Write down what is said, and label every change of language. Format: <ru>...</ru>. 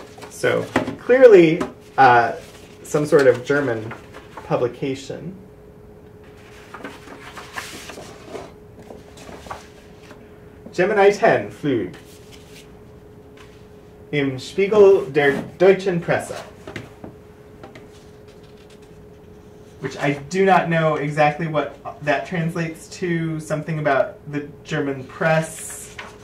<en>So, clearly some sort of German publication.</en> <de>Gemini 10 Flug im Spiegel der Deutschen Presse.</de> <en>Which I do not know exactly what that translates to, something about the German press.</en>